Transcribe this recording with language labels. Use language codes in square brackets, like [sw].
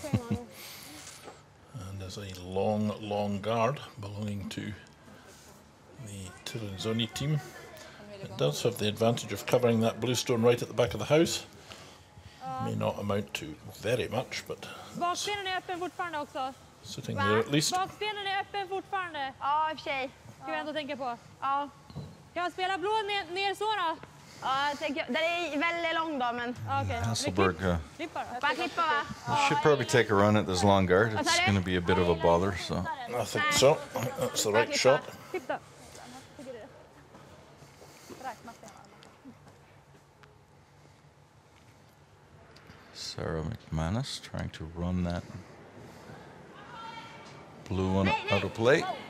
[en] And there's a long, long guard belonging to the Tirunzoni team. It does have the advantage of covering that blue stone right at the back of the house. May not amount to very much, but sitting there at least. [sv] Bakbenen är öppen fortfarande. Ja, I och för sig. Ska vi ändå tänka på. Ja. Kan man spela blå ner så då? Ja, det är väldigt lång då, men okej. Hasselborg. Bara klippa, va? [en] We should probably take a run at this long guard. It's going to be a bit of a bother, so. I think so. That's the right shot. Sarah McManus trying to run that blue one out of play.